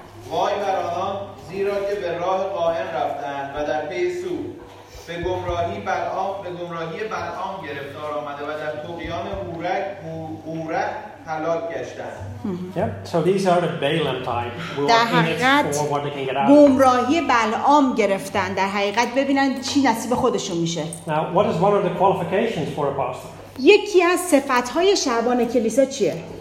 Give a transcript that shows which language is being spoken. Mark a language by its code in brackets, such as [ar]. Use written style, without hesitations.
[fa] وای بر آنان زیرا که به راه قائن رفتند و در پی سو به گمراهی بلعام گرفتار آمده و در طغیان اورق هلاک گشتند. [en] So these are the Balaam type. [fa] در حقیقت گمراهی بلعام گرفتن. در حقیقت ببینن چی نصیب خودشون میشه. [en] Now, what is one of the qualifications for a pastor? [fa] یکی از صفات‌های شعبان کلیسا چیه؟